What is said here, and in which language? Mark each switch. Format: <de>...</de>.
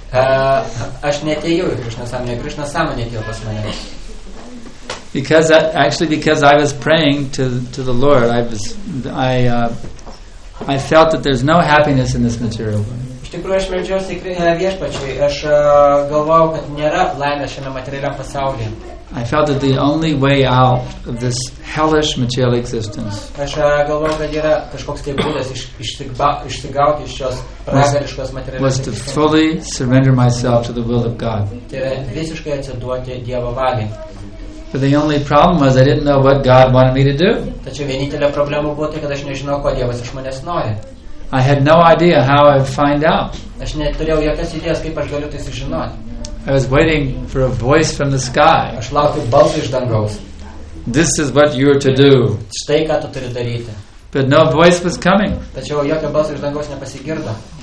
<lt>Aš netėjau į Krišno sąmonę, Krišno sąmonė atėjo pas mane.</lt> <en>Because because I was praying to the Lord, I felt that there's no happiness in this material world.</en> <lt>Iš tikrųjų, aš meldžiausi Viešpačiui, aš galvojau, kad nėra laimės šiame materialiam pasaulyje.</lt> <en>I felt that the only way out of this hellish material existence.</en> <lt>Aš galvojau, kad yra kažkoks tai būdas išsigauti iš šios pragariškos materialios.</lt> <en>Was to fully surrender myself to the will of God.</en> <lt>Visiškai atsiduoti Dievo valiai.</lt> <en>But the only problem was I didn't know what God wanted me to do.</en> <lt>Tačiau vienintelė problema buvo tai, kad aš nežinau, ko Dievas iš manęs nori.</lt> <en>I had no idea how I'd find out.</en> <lt>Aš neturėjau jokios idėjos, kaip aš galiu tai sužinoti.</lt> <en>I was waiting for a voice from the sky.</en> <lt>Aš laukiu balsą iš dangaus.</lt> <en>This is what you are to do.</en> <lt>Štai ką tu turi daryti.</lt> <en>But no voice was coming.</en> <lt>Tačiau jokio balsą iš dangaus nepasigirdo.</lt>